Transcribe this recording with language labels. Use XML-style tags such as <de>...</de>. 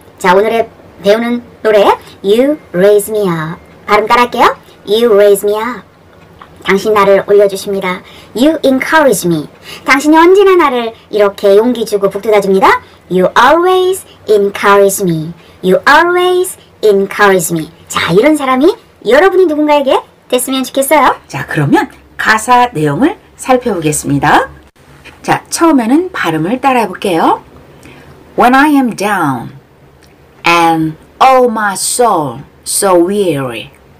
<ko>자, 오늘의 배우는 노래 You Raise Me Up 발음 따라할게요. You Raise Me Up 당신 나를 올려주십니다.</ko> <en>You encourage me.</en> <ko>당신이 언제나 나를 이렇게 용기 주고 북돋아줍니다.</ko> <en>You always encourage me. You always encourage me.</en> <ko>자, 이런 사람이 여러분이 누군가에게 됐으면 좋겠어요. 자, 그러면 가사 내용을 살펴보겠습니다. 자, 처음에는 발음을 따라해 볼게요.</ko> <en>When I am down and all my soul so weary.</en>